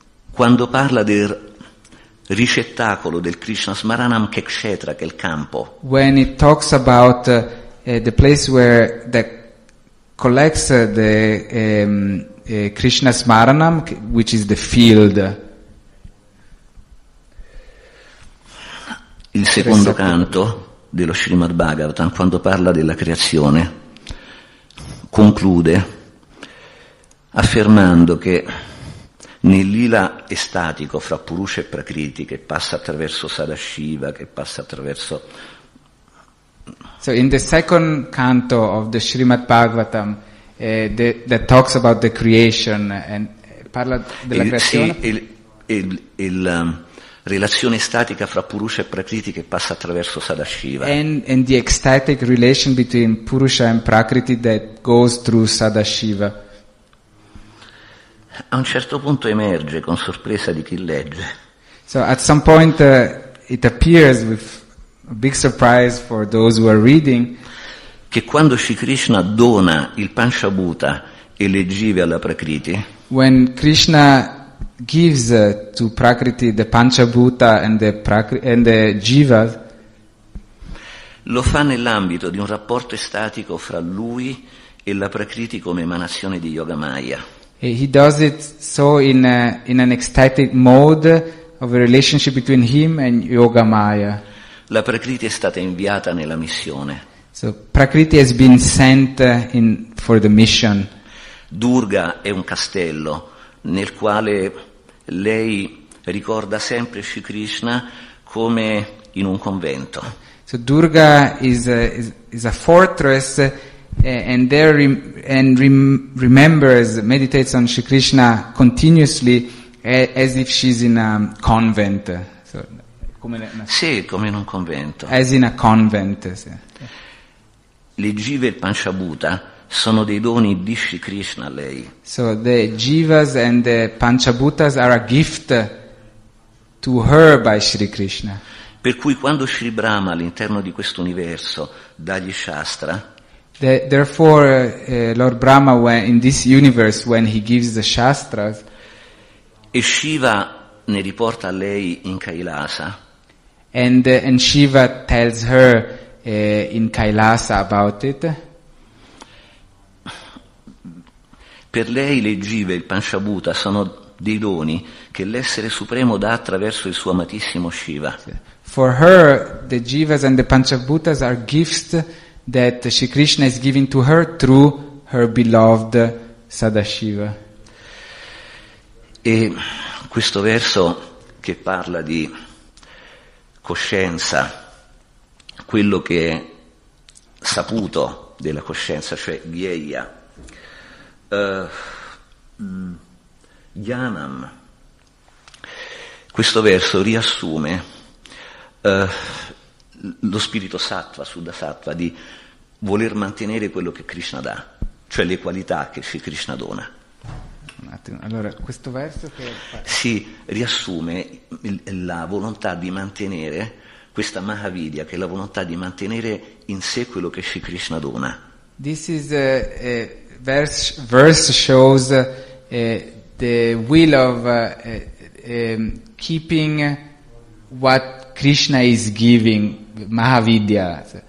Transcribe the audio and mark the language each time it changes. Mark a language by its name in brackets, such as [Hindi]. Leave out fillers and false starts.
[Italian] Quando parla del ricettacolo del Krishna Smaranam Kshetra, che è il campo. [English] When it talks about the place where that collects the Krishna Smaranam, which is the field. [Italian] Il secondo canto dello Srimad Bhagavatam, quando parla della creazione, conclude affermando che nel lila estatico fra Purusha e Prakriti, che passa attraverso Sadashiva, che passa attraverso... [English] So in the second canto of the Srimad Bhagavatam, that talks about the creation and [Italian] parla della creazione... Relazione statica fra Purusha e Prakriti che passa attraverso Sadashiva. [English] And the ecstatic relation between Purusha and Prakriti that goes through Sadashiva. [Italian] A un certo punto emerge con sorpresa di chi legge. [English] So at some point it appears with a big surprise for those who are reading [Italian] che quando Shri Krishna dona il Panchabhuta e le jive alla Prakriti, [English] when Krishna gives to Prakriti the Panchabhuta and the jivas, [Italian] lo fa nell'ambito di un rapporto estatico fra lui e la Prakriti come emanazione di Yoga Maya. [English] He does it so in an ecstatic mode of a relationship between him and Yoga Maya. [Italian] La Prakriti è stata inviata nella missione. [English] So Prakriti has been sent in for the mission. [Italian] Durga è un castello nel quale lei ricorda sempre Shri Krishna come in un convento. [English] So Durga is a fortress and remembers meditates on Shri Krishna continuously as if she's in a convent. So, [Italian] come in un convento. [English] As in a convent. [Italian] Le jive e il Panchabhuta sono dei doni di Shri Krishna a lei. [English] So the jivas and the panchabhutas are a gift to her by Shri Krishna. [Italian] Per cui quando Shri Brahma all'interno di questo universo dà gli shastra, [English] therefore Lord Brahma when in this universe when he gives the shastras, [Italian] e Shiva ne riporta a lei in Kailasa, [English] and Shiva tells her in Kailasa about it. [Italian] Per lei le jive, il panchabhuta, sono dei doni che l'essere supremo dà attraverso il suo amatissimo Shiva. [English] For her, the jivas and the panchabhutas are gifts that Shri Krishna is giving to her through her beloved Sadashiva. [Italian] E questo verso che parla di coscienza, quello che è saputo della coscienza, cioè gyeya, jnanam, questo verso riassume lo spirito sattva, sudda sattva, di voler mantenere quello che Krishna dà, cioè le qualità che Shri Krishna dona. Un attimo, allora questo verso che si riassume la volontà di mantenere questa mahavidya, che è la volontà di mantenere in sé quello che Shri Krishna dona. [English] This is a verse shows the will of keeping what Krishna is giving, mahavidya.